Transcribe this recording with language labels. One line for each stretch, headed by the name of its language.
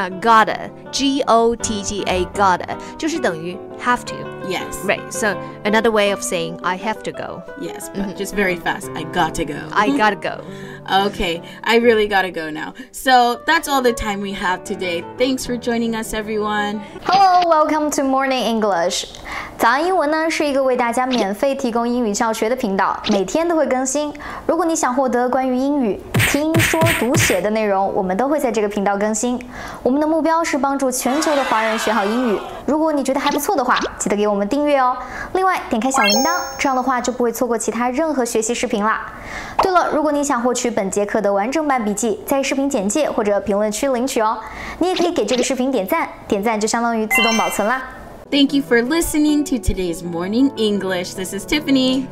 English: Gotta. G-O-T-T-A. Gotta.
Chinese: 就是等于
English: have to. Yes. Right. So another way of saying I have to go. Yes. But、mm-hmm. just very fast. I gotta go. I gotta go. Okay. I really gotta go now. So that's all the time we have today. Thanks for joining us, everyone. Hello. Welcome to Morning English.
Chinese: 早安英文呢是一个为大家免费提供英语教学的频道，每天都会更新。如果你想获得关于英语听说读写的内容，我们都会在这个频道更新。我们的目标是帮助全球的华人学好英语。如果你觉得还不错的话，记得给我们订阅哦。另外点开小铃铛，这样的话就不会错过其他任何学习视频了。对了，如果你想获取本节课的完整版笔记，在视频简介或者评论区领取哦。你也可以给这个视频点赞，点赞就相当于自动保存啦。
English: Thank you for listening to today's Morning English. This is Tiffany.